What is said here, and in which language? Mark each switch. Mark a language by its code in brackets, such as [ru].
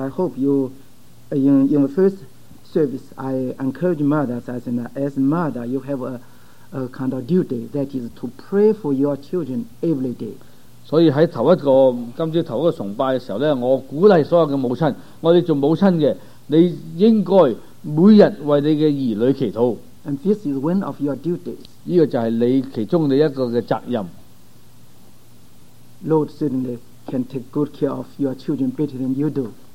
[en] I hope you, in the first service, I encourage mothers as mother, you have a kind of duty that is to pray for your children every day. [yue] 所以喺頭一個今朝頭一個崇拜嘅時候咧，我鼓勵所有嘅母親，我哋做母親嘅，你應該每日為你嘅兒女祈禱。 [en] And this is one of your duties. [yue] 呢個就係你其中嘅一個嘅責任。 [en] Lord certainly can take good care of your children better than you do.